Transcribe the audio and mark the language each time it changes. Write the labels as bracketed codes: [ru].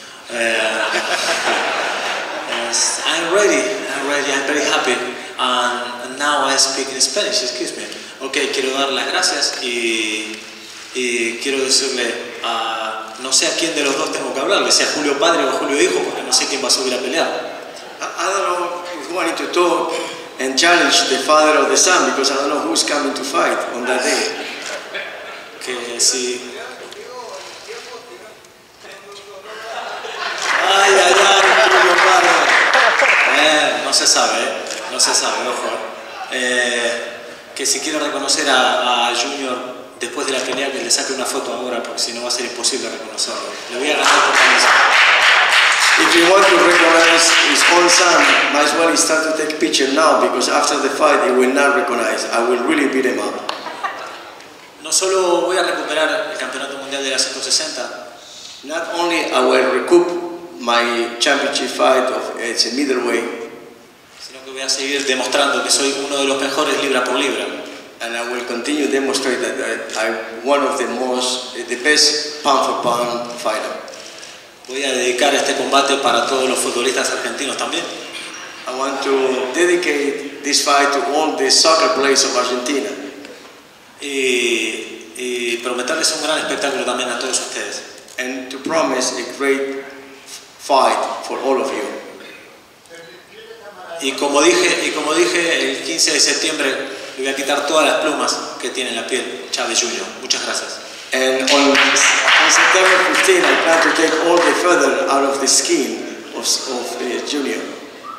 [en] Yes, I'm ready, I'm very happy, and now I speak in Spanish, excuse me. [es] Ok, quiero dar las gracias y quiero decirle a... no sé a quién de los dos tengo que hablarle, sea Julio padre o Julio hijo, porque no sé quién va a subir a pelear. [en] I don't know who I need to talk and challenge the father of the son, because I don't know who's coming to fight on that day. [es] Que si... Ay, ay, ay, Julio padre. No se sabe, ¿eh? No se sabe, ojo. Que si quiere reconocer a Junior después de la pelea, que le saque una foto ahora, porque si no va a ser imposible reconocerlo. Le voy a ganar por camisa. [en] If you want to recognize his own son, might as well start to take picture now, because after the fight he will not recognize. I will really beat him up. [es] No solo voy a recuperar el campeonato mundial de la 160. [en] Not only I will recoup my championship fight of it's a middleweight. [es] Voy a seguir demostrando que soy uno de los mejores libra por libra. [en] And I will continue to demonstrate that I'm one of the most, the best pound for pound fighter. [es] Voy a dedicar este combate para todos los futbolistas argentinos también. [en] I want to dedicate this fight to all the soccer players of Argentina. [es] Y prometerles un gran espectáculo también a todos ustedes. [en] And to promise a great fight for all of you. [es] Y como dije, el 15 de septiembre le voy a quitar todas las plumas que tiene en la piel Chávez Junior. Muchas gracias. [en] On September 15, I plan to take all the feather out of the skin of Junior.